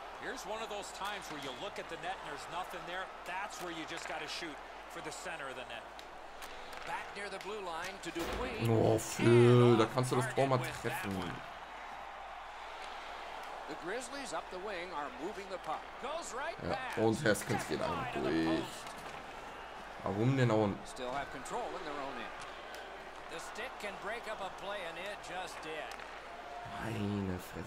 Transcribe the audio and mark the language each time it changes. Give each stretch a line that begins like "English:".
English: Here's one of those times where you look at the net and there's nothing there. That's where you just got to shoot for the center of the net. Back near the blue line to Dupuis.
German: Oh, Phil, da kannst du das Tor mal treffen.
English: The Grizzlies up the wing are moving the puck. Goes right back.
German: Ja, und Haskins geht einfach durch. Warum denn auch?
English: Still have control in their own end. The stick can break up a play and it just did.
German: Meine Fresse.